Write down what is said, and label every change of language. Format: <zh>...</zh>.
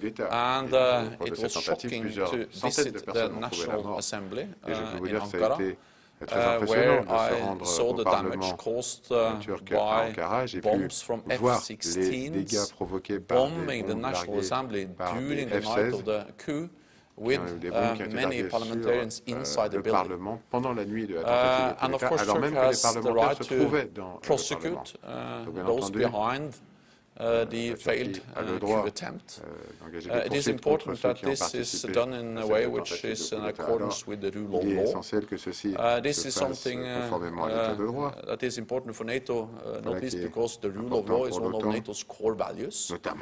<en>And it was shocking to visit the National Assembly in Ankara, where I saw the damage caused by bombs from F-16s, bombing the National Assembly during the night of the coup. with many parliamentarians inside the building.</en> <fr>Pendant la nuit de la tempête,</fr> <en>of course,</en> <fr>alors même que les parlementaires se trouvaient dans le Parlement.</fr> <en>Those behind the failed coup attempt. It is important that this is done in a way which is in accordance with the rule of law. This is something that is important for NATO, not least because the rule of law is one of NATO's core values.</en>